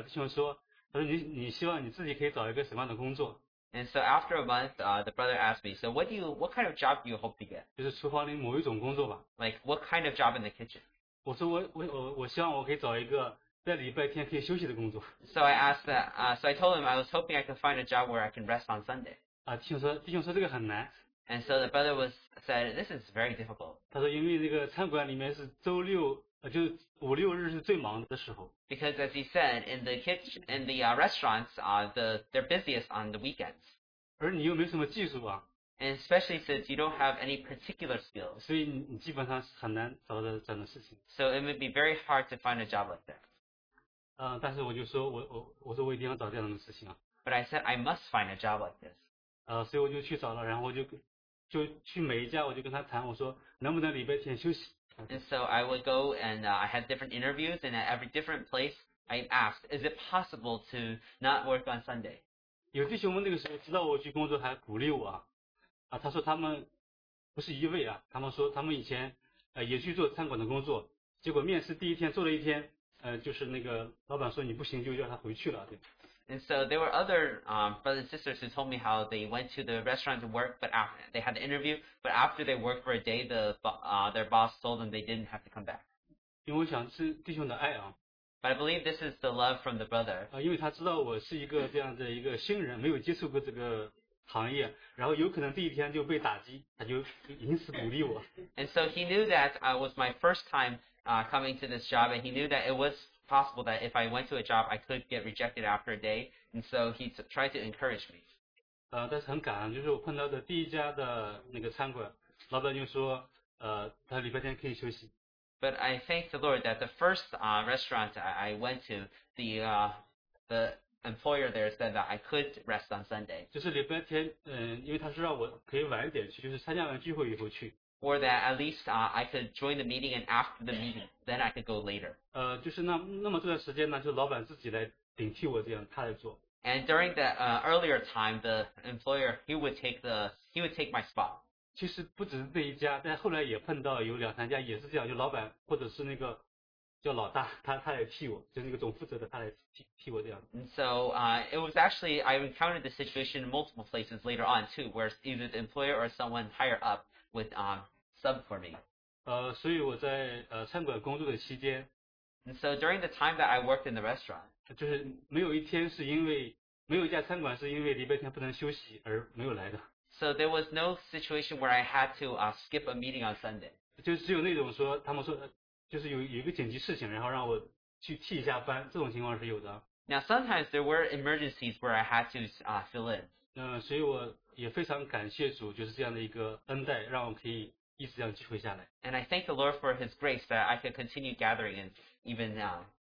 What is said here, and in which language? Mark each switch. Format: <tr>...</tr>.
<zh>然后到最后的时候，那个一个月以后了，弟兄说，他说你希望你自己可以找一个什么样的工作？</zh> <en>And so after a month, the brother asked me, so what kind of job do you hope to get?</en> <zh>就是厨房里某一种工作吧。</zh> <en>Like what kind of job in the kitchen?</en> <zh>我说我希望我可以找一个在礼拜天可以休息的工作。</zh> <en>So I asked that, so I told him I was hoping I could find a job where I can rest on Sunday.</en> <zh>弟兄说这个很难。</zh> <en>And so the brother said, this is very difficult.</en> <zh>他说因为这个餐馆里面是周六，就五六日是最忙的时候。</zh> <en>Because as he said, in the kitchen, in the restaurants, they're busiest on the weekends.</en> <zh>而你又没什么技术啊。</zh> <en>And especially since you don't have any particular skills.</en> <zh>所以你基本上很难找到这样的事情。</zh> <en>So it would be very hard to find a job like that.</en> <zh>但是我就说我一定要找这样的事情啊。</zh> <en>But I said, I must find a job like this.</en> <zh>所以我就去找了，然后我就去每一家，我就跟他谈，我说能不能礼拜天休息</zh> <en>And so I would go and I had different interviews, and at every different place I asked, is it possible to not work on Sunday?</en> <zh>有弟兄们那个时候知道我去工作还鼓励我啊，啊他说他们不是一位啊，他们说他们以前也去做餐馆的工作，结果面试第一天做了一天，就是那个老板说你不行就叫他回去了，对。</zh> <en>And so there were other brothers and sisters who told me how they went to the restaurant to work, but after they had the interview, but after they worked for a day, their boss told them they didn't have to come back.</en> <zh>因为我想是弟兄的爱啊。</zh> <en>But I believe this is the love from the brother.</en> <zh>因为他知道我是一个这样的一个新人，没有接触过这个行业，然后有可能第一天就被打击，他就因此鼓励我。</zh> <en>And so he knew that I was my first time coming to this job, and he knew that it was possible that if I went to a job, I could get rejected after a day. And so he tried to encourage me.</en> <zh>但是很感恩，就是我碰到的第一家的那个餐馆，老板就说，他礼拜天可以休息。</zh> <en>But I thank the Lord that the first restaurant I went to, the employer there said that I could rest on Sunday.</en> <zh>就是礼拜天，因为他是让我可以晚一点去，就是参加完聚会以后去。</zh> <en>Or that at least I could join the meeting and after the meeting, then I could go later.</en> <zh>就是那么这段时间呢，就老板自己来顶替我这样，他来做。</zh> <en>And during that earlier time, the employer he would take my spot.</en> <zh>其实不只是这一家，但后来也碰到有两三家也是这样，就老板或者是那个叫老大，他来替我，就是那个总负责的，他来替我这样。</zh> <en>And so it was actually I encountered the situation in multiple places later on too, where either the employer or someone higher up. With sub for me.</en> <zh>所以我在餐馆工作的期间</zh> <en>，and so during the time that I worked in the restaurant,</en> <zh>就是没有一天是因为没有一家餐馆是因为礼拜天不能休息而没有来的。</zh> <en>So there was no situation where I had to skip a meeting on Sunday.</en> <zh>就只有那种说他们说就是有一个紧急事情，然后让我去替一下班，这种情况是有的。</zh> <en>Now sometimes there were emergencies where I had to fill in.</en> <zh>所以我。也非常感谢主，就是这样的一个恩待，让我可以一直这样聚会下来。</zh> <en>And I thank the Lord for His grace that I can continue gathering and even now.</en>